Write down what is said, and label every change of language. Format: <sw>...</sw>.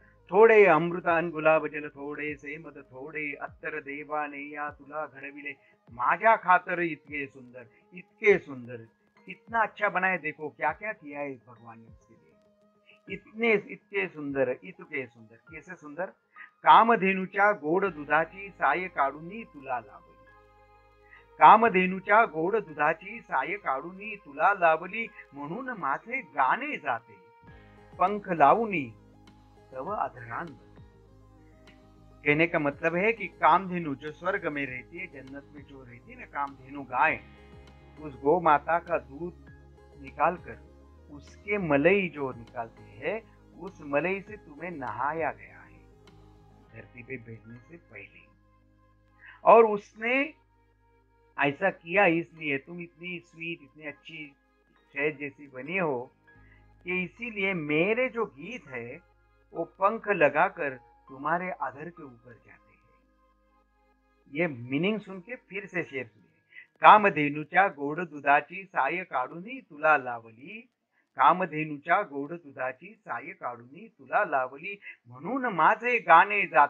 <mr>थोड़े अमृत अन गुलाब जल, थोड़े से मत थोड़े अत्तर, देवा ने या तुला घडविले माजा खातर, इतके सुंदर इतके सुंदर,</mr> <hi>इतना अच्छा बनाए, देखो क्या क्या किया है इस भगवान ने उसके लिए, इतने</hi> <mr>इतके सुंदर इतके सुंदर,</mr> <hi>कैसे सुंदर।</hi> <mr>कामधेनुच्या गोड दुधाची साय काढूनी तुला लावली, कामधेनुच्या गोड दुधाची साय काढूनी तुला लावली, म्हणून माझे गाणे जाते पंख लावूनी तव अधरांग।</mr> <hi>कहने का मतलब है कि कामधेनु जो स्वर्ग में रहती है, जन्नत में जो रहती है ना कामधेनु गाय, उस गौ माता का दूध निकालकर उसके मलई जो निकालती है, उस मलई से तुम्हें नहाया गया है धरती पे भेजने से पहले, और उसने ऐसा किया इसलिए तुम इतनी स्वीट इतनी अच्छी शहद जैसी बनी हो, कि इसीलिए मेरे जो गीत है वो पंख लगाकर तुम्हारे अधर के ऊपर जाते हैं। ये मीनिंग सुन के फिर से शेर सुनिए।</hi> <mr>कामधेनुचा गोड दुधाची साय काढूनी तुला लावली, कामधेनुचा गोड दुधाची साय काढूनी तुला लावली, म्हणून माझे गाणे</mr>